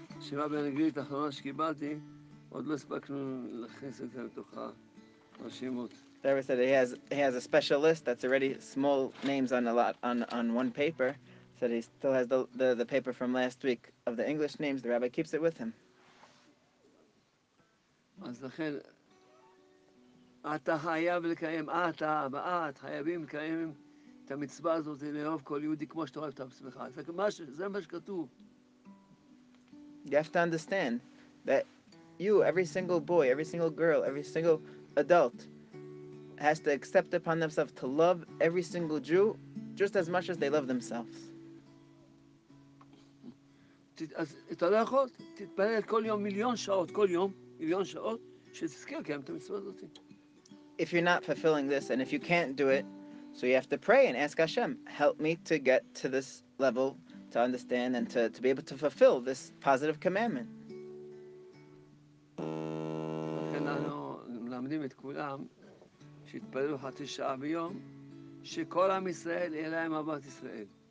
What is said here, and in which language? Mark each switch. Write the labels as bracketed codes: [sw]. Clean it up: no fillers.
[en] The rabbi said he has a special list that's already small names on a lot on one paper. Said he still has the paper from last week of the English names. The rabbi keeps it with him. [he] אז לכן, אתה חייב לקיים, אתה ואת חייבים לקיים את המצווה הזאת לאהוב כל יהודי כמו שאתה אוהב את עצמך. זה מה שכתוב. [en] You have to understand that you, every single boy, every single girl, every single adult has to accept upon themselves to love every single Jew just as much as they love themselves. [he] אז אתה לא יכול, תתפלל כל יום מיליון שעות, כל יום. [en] If you're not fulfilling this, and if you can't do it, so you have to pray and ask Hashem, help me to get to this level, to understand and to be able to fulfill this positive commandment.